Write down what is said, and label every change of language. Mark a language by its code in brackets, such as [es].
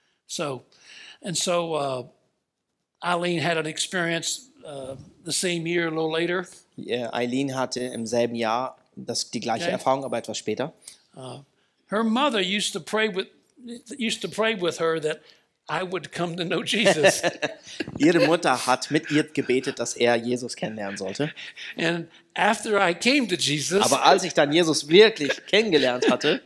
[en] So, and so, Eileen had an experience the same year, a little later. [de] Yeah, Eileen hatte im selben Jahr die gleiche okay. Erfahrung, aber etwas später. [en] Her mother used to pray with her that I would come to know Jesus. [de] Ihre Mutter hat mit ihr gebetet, dass Jesus kennenlernen sollte. [en] And after I came to Jesus, [de] aber als ich dann Jesus wirklich kennengelernt hatte,